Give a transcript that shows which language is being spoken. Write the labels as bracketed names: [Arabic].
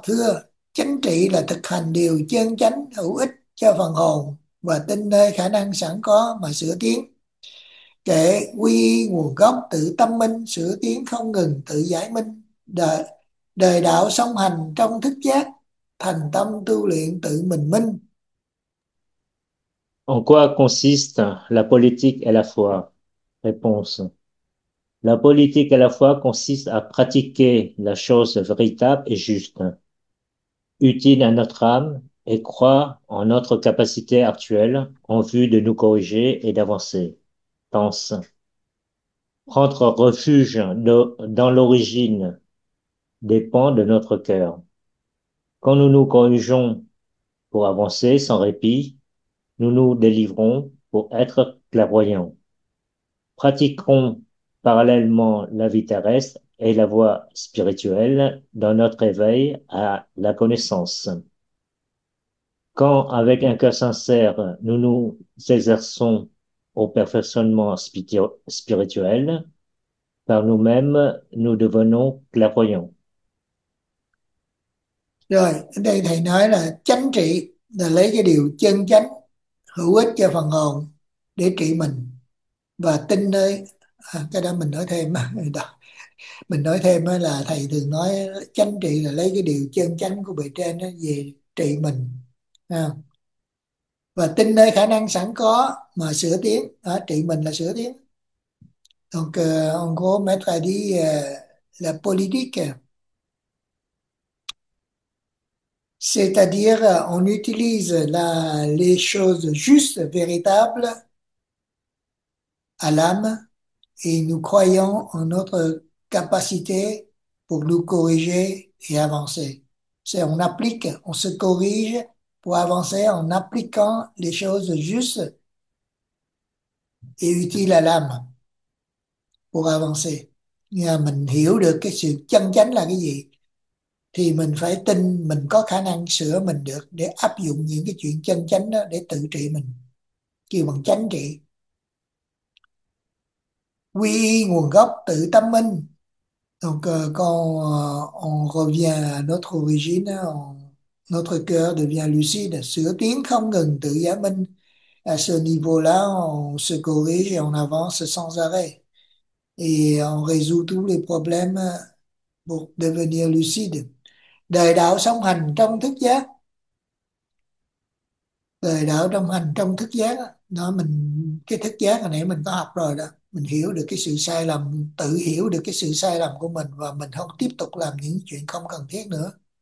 [Vietnamese] Thưa, chính trị là thực hành điều chân chánh hữu ích cho phần hồn và tin nơi khả năng sẵn có mà sửa tiến. Kệ quy nguồn gốc tự tâm minh, sửa tiến không ngừng tự giải minh. Đời, đời đạo song hành trong thức giác, thành tâm tu luyện tự mình minh. [French] En quoi consiste la politique et la foi? Réponse. La politique et la foi consiste à pratiquer la chose véritable et juste, utile à notre âme, et croire en notre capacité actuelle en vue de nous corriger et d'avancer. Pense. Prendre refuge dans l'origine dépend de notre cœur. Quand nous nous corrigeons pour avancer sans répit, nous nous délivrons pour être clairvoyants. Pratiquons parallèlement la vie terrestre et la voie spirituelle dans notre éveil à la connaissance. Quand, avec un cœur sincère, nous nous exerçons au perfectionnement spirituel, par nous-mêmes, nous devenons clairvoyants. [Vietnamese] Rồi, ở đây thầy nói là chánh trị là lấy cái điều chân chánh hữu ích cho phần hồn để trị mình, và tin nơi cái đó mình nói thêm đó. Mình nói thêm là thầy thường nói chánh trị là lấy cái điều chân chánh của bề trên đó về trị mình, à, và tin nơi khả năng sẵn có mà sửa tiến. À, trị mình là sửa tiến. [French] Donc on go mettre à dire la politique. C'est-à-dire, on utilise les choses justes, véritables, à l'âme, et nous croyons en notre capacité pour nous corriger et avancer. C'est, on applique, on se corrige pour avancer en appliquant les choses justes et utiles à l'âme pour avancer. [Vietnamese] Mình hiểu được cái sự chân chánh là cái gì, thì mình phải tin mình có khả năng sửa mình được để áp dụng những cái chuyện chân chánh đó để tự trị mình, kêu bằng chánh trị. Quy nguồn gốc tự tâm minh. [French] Donc quand on revient à notre origine, notre cœur devient lucide, [Vietnamese] sửa tiến không ngừng tự giải minh. [French] À ce niveau-là, on se corrige et on avance sans arrêt. Et on résout tous les problèmes pour devenir lucide. [Vietnamese] Đời đạo song hành trong thức giác. Đời đạo song hành trong thức giác đó, mình cái thức giác hồi nãy mình có học rồi đó, mình hiểu được cái sự sai lầm, tự hiểu được cái sự sai lầm của mình và mình không tiếp tục làm những chuyện không cần thiết nữa.